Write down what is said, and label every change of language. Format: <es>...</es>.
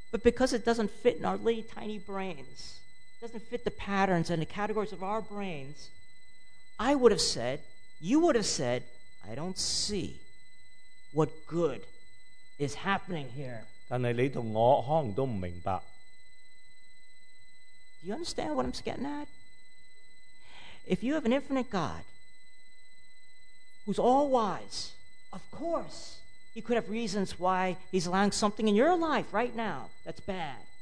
<en>But because it doesn't fit in our little tiny brains, doesn't fit the patterns and the categories of our brains, I would have said, you would have said, I don't see what good is happening here.</en> <zh>但是你和我可能都不明白。</zh> <en>Do you understand what I'm getting at? If you have an infinite God who's all wise, of course he could have reasons why he's allowing something in your life right now that's bad.</en>